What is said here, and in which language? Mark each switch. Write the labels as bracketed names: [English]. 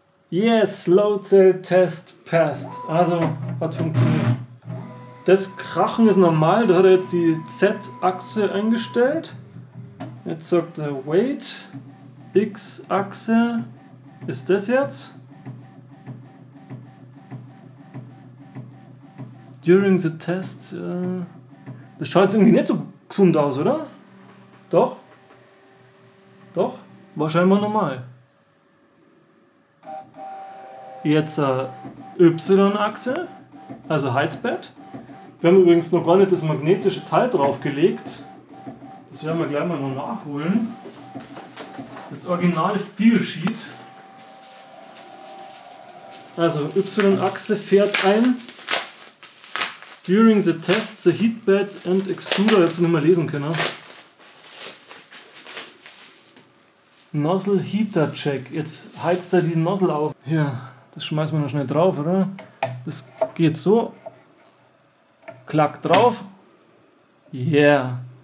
[English] Yes, Load Cell Test passed. [German] Also, hat funktioniert. Das Krachen ist normal, da hat er jetzt die Z-Achse eingestellt. Jetzt sagt er Wait. X-Achse ist das jetzt. [English] During the test. [German] Das schaut jetzt irgendwie nicht so gesund aus, oder? Doch? Doch? War scheinbar normal. Jetzt Y-Achse, also Heizbett. Wir haben übrigens noch gar nicht das magnetische Teil draufgelegt. Das werden wir gleich mal noch nachholen. Das originale Steel Sheet. Also Y-Achse fährt ein. [English] During the test, the heatbed and extruder. [German] Ich habe es nicht mehr lesen können. Nozzle Heater Check. Jetzt heizt er die Nozzle auf. Hier, das schmeißen wir noch schnell drauf, oder? Das geht so. Klack drauf. Yeah.